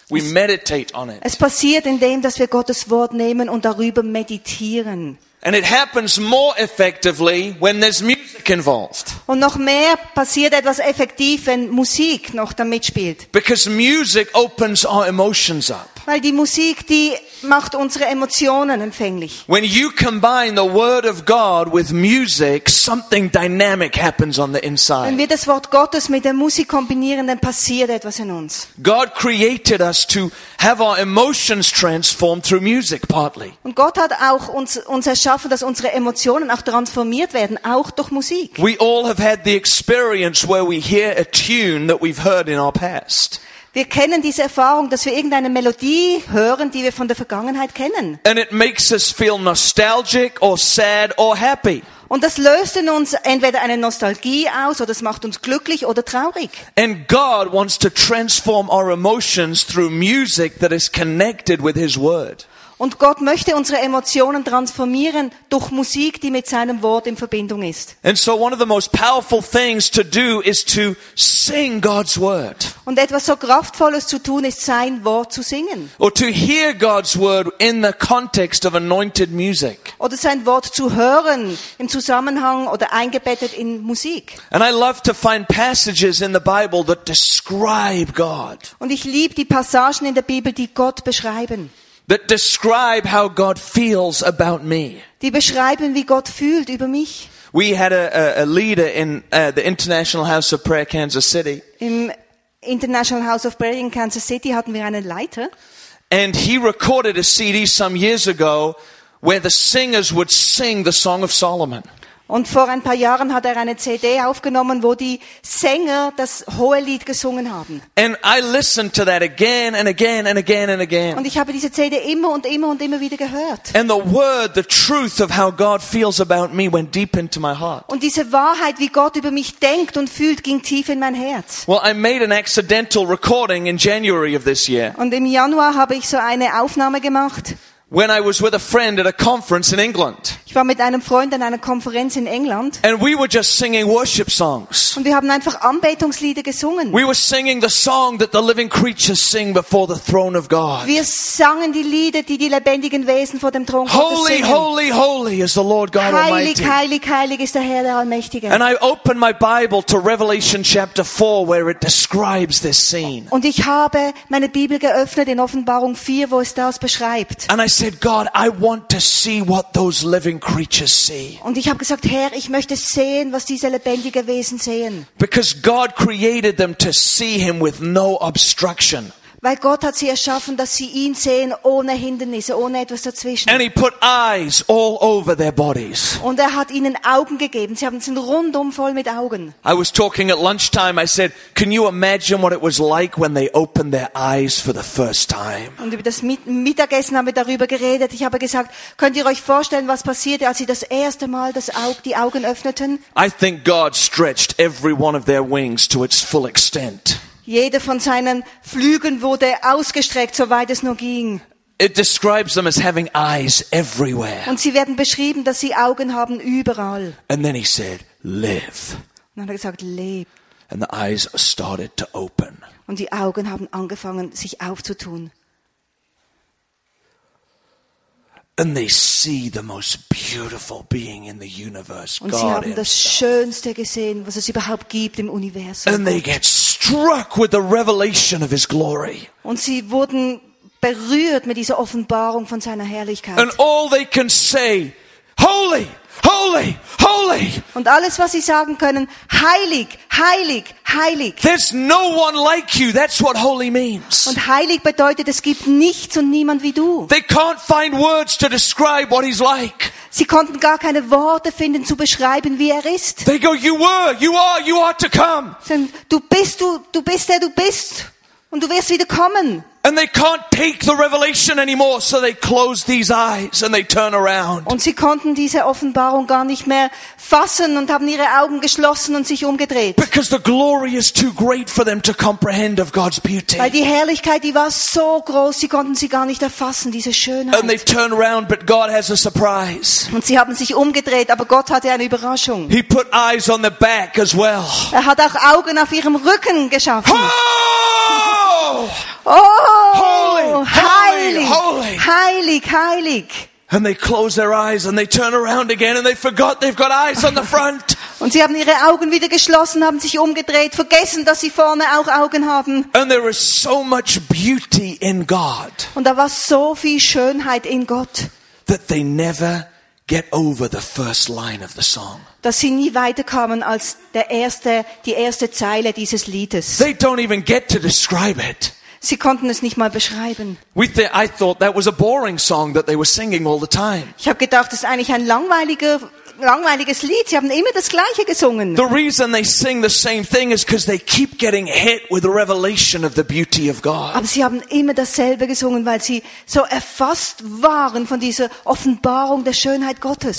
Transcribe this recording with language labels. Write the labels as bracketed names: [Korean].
[English] We meditate on it. [German] Es passiert, indem dass wir Gottes Wort nehmen und darüber meditieren. [English] And it happens more effectively when there's music involved. [German] Und noch mehr passiert etwas effektiv, wenn Musik noch da mitspielt. [English] Because music opens our emotions up. [German] Weil die Musik, die macht unsere Emotionen empfänglich. [English] When you combine the word of God with music, something dynamic happens on the inside. [German] Wenn wir das Wort Gottes mit der Musik kombinieren, dann passiert etwas in uns. [English] God created us to have our emotions transformed through music partly. [German] Und Gott hat auch uns erschaffen, dass unsere Emotionen auch transformiert werden, auch durch Musik. [English] We all have had the experience where we hear a tune that we've heard in our past. [German] Wir kennen diese Erfahrung, dass wir irgendeine Melodie hören, die wir von der Vergangenheit kennen. [English] And it makes us feel nostalgic or sad or happy. [German] Und das löst in uns entweder eine Nostalgie aus oder es macht uns glücklich oder traurig. [English] And God wants to transform our emotions through music that is connected with his word. [German] Und Gott möchte unsere Emotionen transformieren durch Musik, die mit seinem Wort in Verbindung ist. [English] And so one of the most powerful things to do is to sing God's word. [German] Und etwas so Kraftvolles zu tun ist, sein Wort zu singen. [English] Or to hear God's word in the context of anointed music. [German] Oder sein Wort zu hören im Zusammenhang oder eingebettet in Musik. [English] And I love to find passages in the Bible that describe God. [German] Und ich liebe die Passagen in der Bibel, die Gott beschreiben. [English] That describe how God feels about me. [German] Die beschreiben, wie Gott fühlt über mich. [English] We had a leader in the International House of Prayer, Kansas City. [German] Im International House of Prayer in Kansas City hatten wir einen Leiter. [English] And he recorded a CD some years ago where the singers would sing the Song of Solomon. [German] Und vor ein paar Jahren hat er eine CD aufgenommen, wo die Sänger das Hohelied gesungen haben. [English] And I listened to that again and again and again and again. [German] Und ich habe diese CD immer und immer und immer wieder gehört. [English] And the word, the truth of how God feels about me went deep into my heart. [German] Und diese Wahrheit, wie Gott über mich denkt und fühlt, ging tief in mein Herz. [English] Well, I made an accidental recording in January of this year. [German] Und im Januar habe ich so eine Aufnahme gemacht. [English] When I was with a friend at a conference in England. [German] Ich war mit einem Freund an einer Konferenz in England. [English] And we were just singing worship songs. [German] Und wir haben einfach Anbetungslieder gesungen. [English] We were singing the song that the living creatures sing before the throne of God. [German] Wir sangen die Lieder, die die lebendigen Wesen vor dem Thron Gottes singen. [English] Holy, holy, holy is the Lord God Almighty. [German] Heilig, heilig, heilig ist der Herr der Allmächtige. [English] And I opened my Bible to Revelation chapter 4 where it describes this scene. [German] Und ich habe meine Bibel geöffnet in Offenbarung 4, wo es das beschreibt. [English] And I said, God, I want to see what those living creatures see. [German] Und ich habe gesagt, Herr, ich möchte sehen, was diese lebendigen Wesen sehen. [English] Because God created them to see him with no obstruction. [German] Weil Gott hat sie erschaffen, dass sie ihn sehen ohne Hindernisse, ohne etwas dazwischen. [English] And he put eyes all over their bodies. [German] Und er hat ihnen Augen gegeben. Sie haben sind rundum voll mit Augen. [English] I was talking at lunchtime. I said, "Can you imagine what it was like when they opened their eyes for the first time?" [German] Und über das Mittagessen haben wir darüber geredet. Ich habe gesagt, könnt ihr euch vorstellen, was passierte, als sie das erste Mal die Augen öffneten? [English] I think God stretched every one of their wings to its full extent. [German] Jeder von seinen Flügeln wurde ausgestreckt, soweit es nur ging. [English] It describes them as having eyes everywhere. [German] Und sie werden beschrieben, dass sie Augen haben überall. [English] And then he said, live. [German] Und dann hat er gesagt, lebe. [English] And the eyes started to open. [German] Und die Augen haben angefangen, sich aufzutun. [English] And they see the most beautiful being in the universe, [German] God. Und sie haben das Schönste gesehen, was es überhaupt gibt im Universum. [English] And they get struck with the revelation of his glory. [German] Und sie wurden berührt mit dieser Offenbarung von seiner Herrlichkeit. [English] And all they can say, holy, holy, holy. [German] Und alles, was sie sagen können, heilig, heilig, heilig. [English] There's no one like you. That's what holy means. [German] Und heilig bedeutet, es gibt nichts und niemand wie du. [English] They can't find words to describe what he's like. [German] Sie konnten gar keine Worte finden, zu beschreiben, wie er ist. [English] They go, you were, you are, you are to come. [German] Du bist der, du bist, und du wirst wieder kommen. [English] And they can't take the revelation anymore, so they close these eyes and they turn around. [German] Und sie konnten diese Offenbarung gar nicht mehr fassen und haben ihre Augen geschlossen und sich umgedreht. [English] Because the glory is too great for them to comprehend of God's beauty. [German] Weil die Herrlichkeit, die war so groß, sie konnten sie gar nicht erfassen, diese Schönheit. [English] And they turn around, but God has a surprise. [German] Und sie haben sich umgedreht, aber Gott hatte eine Überraschung. [English] He put eyes on the back as well. [German] Er hat auch Augen auf ihrem Rücken geschaffen. Oh, [English] holy, [German] heilig, [English] holy. [German] Heilig, heilig. [English] And they close their eyes and they turn around again and they forgot they've got eyes on the front. [German] Und sie haben ihre Augen wieder geschlossen, haben sich umgedreht, vergessen, dass sie vorne auch Augen haben. [English] And there is so much beauty in God. [German] Und da war so viel Schönheit in Gott. [English] That they never get over the first line of the song. [German] Dass sie nie weiterkommen als die erste Zeile dieses Liedes. [English] They don't even get to describe it. [German] Sie konnten es nicht mal beschreiben. [English] I thought that was a boring song that they were singing all the time. [German] Ich habe gedacht, das ist eigentlich ein langweiliger langweiliges Lied. Sie haben immer das Gleiche gesungen. [English] The reason they sing the same thing is because they keep getting hit with the revelation of the beauty of God. [German] Aber sie haben immer dasselbe gesungen, weil sie so erfasst waren von dieser Offenbarung der Schönheit Gottes.